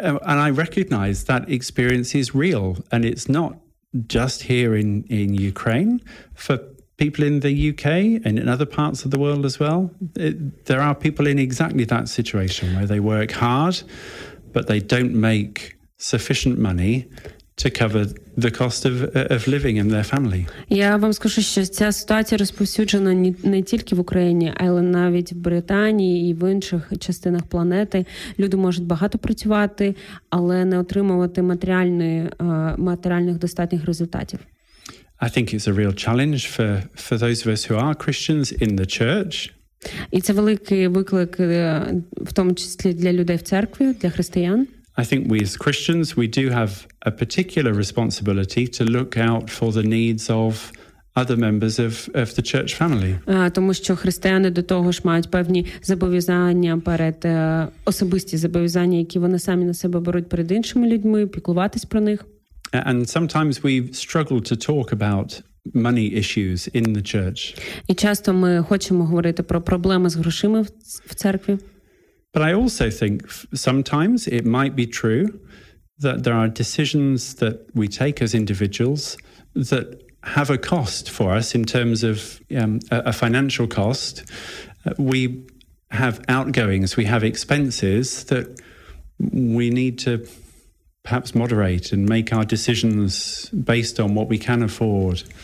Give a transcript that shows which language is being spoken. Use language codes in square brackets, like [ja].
[en] And I recognize that experience is real and it's not just here in Ukraine. For people in the UK and in other parts of the world as well, there are people in exactly that situation where they work hard, but they don't make sufficient money to cover the cost of living in their family. [uk] Я вам скажу, що ця ситуація розповсюджена не тільки в Україні, але навіть в Британії і в інших частинах планети. Люди можуть багато працювати, але не отримувати матеріальних достатніх результатів. [en] I think it's a real challenge for those of us who are Christians in the church. [uk] І це великий виклик, в тому числі для людей в церкві, для християн. [en] I think we as Christians, we do have a particular responsibility to look out for the needs of other members of the church family. [uk] Тому що християни до того ж мають певні зобов'язання перед особисті зобов'язання, які вони самі на себе беруть перед іншими людьми, піклуватись про них. [en] And sometimes we struggle to talk about money issues in the church. [uk] І часто ми хочемо говорити про проблеми з грошима в церкві. [en] But I also think sometimes it might be true that there are decisions that we take as individuals that have a cost for us in terms of a financial cost. We have outgoings, we have expenses that we need to perhaps moderate and make our decisions based on what we can afford.